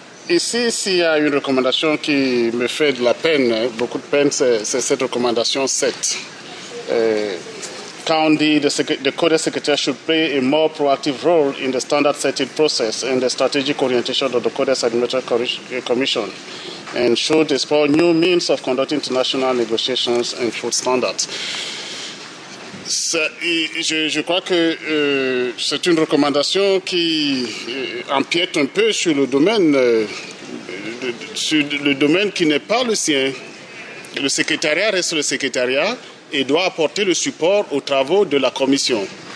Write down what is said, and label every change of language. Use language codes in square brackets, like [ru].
[fr] Ici, s'il y a une recommandation qui me fait de la peine, beaucoup de peine, c'est cette recommandation 7. Quand on dit [en] the code secretary should play a more proactive role in the standard setting process and the strategic orientation of the code administrative commission and should explore new means of conducting international negotiations and food standards. [fr] Je crois que c'est une recommandation qui empiète un peu sur le domaine qui n'est pas le sien. Le secrétariat reste le secrétariat et doit apporter le support aux travaux de la commission.